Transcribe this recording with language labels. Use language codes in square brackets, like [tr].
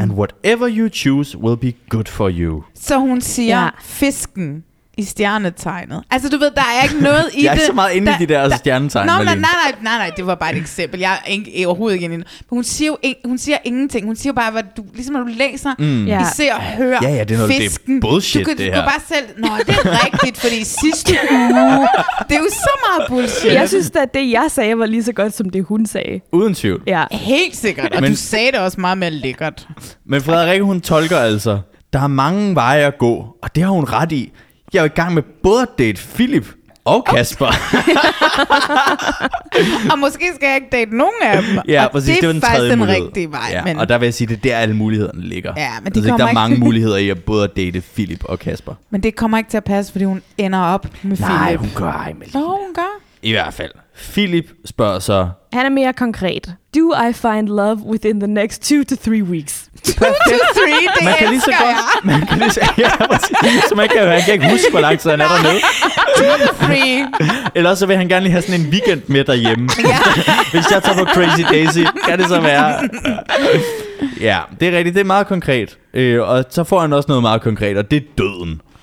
[en] And whatever you choose will be good for you. [da] Så hun siger fisken i stjernetegnet. Altså du ved, der er ikke noget i det. Jeg er ikke så meget inde i de der stjernetegn. Nej, det var bare et eksempel. Jeg er ikke overhovedet ikke inde. Men hun siger ingenting. Hun siger bare, hvad du, ligesom når du læser, ser og hører fisken. Ja, det er noget, fisken. Det er bullshit, du kan, det her. Du bare selv, nå, det er rigtigt, fordi sidste uge, det er jo så meget bullshit. Jeg synes at det, jeg sagde, var lige så godt, som det hun sagde. Uden tvivl. Ja. Helt sikkert. Og men, du sagde det også meget mere lækkert. Men Frederikke, hun tolker altså, der er mange veje at gå, og det har hun ret i. Jeg er i gang med både at date Philip og Kasper. Og måske skal jeg ikke date nogen af dem. Ja, præcis, det er faktisk den rigtige vej. Ja, men og der vil jeg sige, det er der, alle mulighederne ligger. Ja, men altså, der er mange muligheder i at både at date Philip og Kasper. Men det kommer ikke til at passe, fordi hun ender op med Philip. Nej, hun gør ej, Melina. Nå, hun gør. I hvert fald. Philip spørger så. Han er mere konkret. [en] Do I find love within the next 2 to 3 weeks? 2 to 3, det [da] man kan elsker lige så jeg. Godt, man kan lige så man kan ikke huske, hvor lang tid han er dernede. [en] 2 to 3. [da] Eller så vil han gerne lige have sådan en weekend med derhjemme. Hvis jeg tager på Crazy Daisy, kan det så være. Ja, det er rigtigt. Det er meget konkret. Og så får han også noget meget konkret, og det er døden.